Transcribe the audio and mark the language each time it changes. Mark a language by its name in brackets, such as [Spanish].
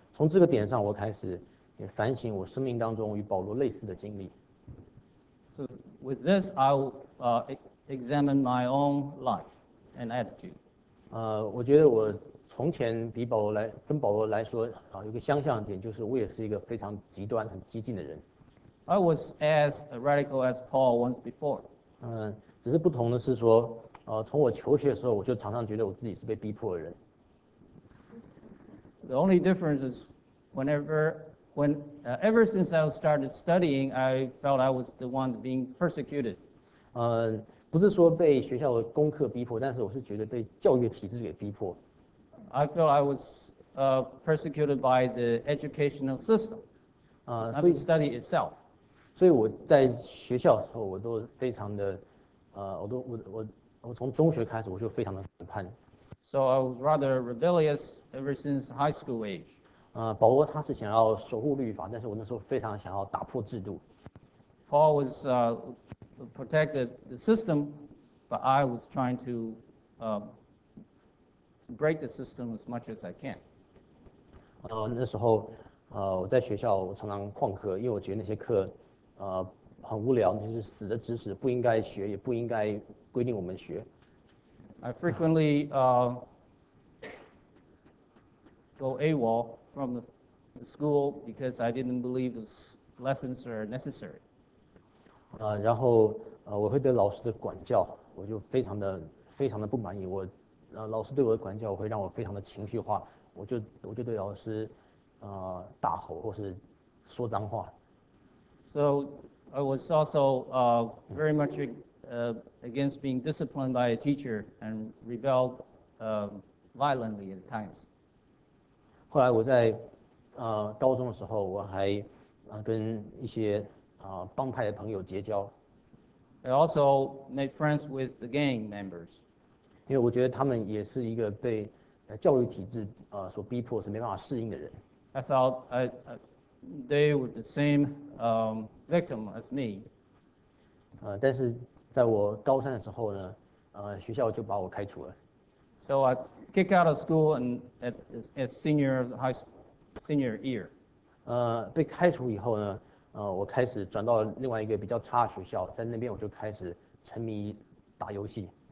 [Chinese] 从这个点上，我开始也反省我生命当中与保罗类似的经历。 [English] So with this, I'll examine my own life and attitude. [Chinese] 我觉得我从前比保罗来跟保罗来说有个相像的点，就是我也是一个非常极端、很激进的人。 [English] I was as radical as Paul once before. [Chinese] 只是不同的是说，从我求学的时候，我就常常觉得我自己是被逼迫的人。 [English] The only difference is ever since I started studying, I felt I was the one being persecuted. [Chinese] 不是说被学校的功课逼迫，但是我是觉得被教育体制给逼迫。 [English] I felt I was persecuted by the educational system, not the study itself. [Chinese] 所以我在学校的时候，我都非常的，我从中学开始，我就非常的反叛。 [English] So I was rather rebellious ever since high school age. [Chinese] 保罗他是想要守护律法，但是我那时候非常想要打破制度。 [English] Paul was protected the system, but I was trying to break the system as much as I can. [Chinese] 那时候我在学校我常常旷课，因为我觉得那些课很无聊，那是死的知识，不应该学，也不应该规定我们学。 [English] I frequently go AWOL from the school because I didn't believe those lessons are necessary. [Chinese] 然后我会对老师的管教，我就非常的不满意。我老师对我的管教会让我非常的情绪化，我就对老师大吼或是说脏话。 [English] So I was also very much against being disciplined by a teacher and rebelled violently at times. [Chinese] 后来我在高中的时候，我还跟一些帮派的朋友结交。 [English] I also made friends with the gang members. [Chinese] 因为我觉得他们也是一个被教育体制所逼迫，是没办法适应的人。 [English] I thought they were the same victim as me. [Chinese] 但是在我高三的时候呢，学校就把我开除了。 [English] So I kicked out of school and at senior high senior year. [Chinese] 被开除以后呢，我开始转到另外一个比较差的学校，在那边我就开始沉迷打游戏。